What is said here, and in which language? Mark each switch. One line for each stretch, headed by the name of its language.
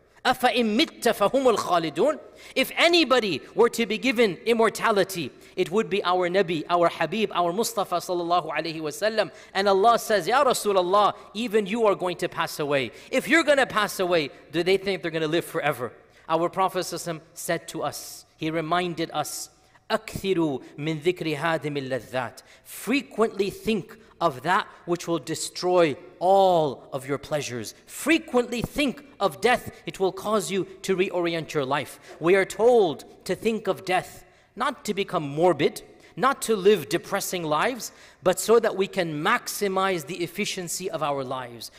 Arabic: أَفَإِن مِتَّ فَهُمُ الْخَالِدُونَ
English: If anybody were to be given immortality, it would be our Nabi, our Habib, our Mustafa sallallahu alayhi wa sallam. And Allah says, Ya Rasulullah, even you are going to pass away. If you're going to pass away, do they think they're going to live forever? Our Prophet ﷺ said to us, he reminded us,
Arabic: أكثروا من ذكر هذه اللذات.
English: Frequently think of that which will destroy all of your pleasures. Frequently think of death. It will cause you to reorient your life. We are told to think of death, not to become morbid, not to live depressing lives, but so that we can maximize the efficiency of our lives.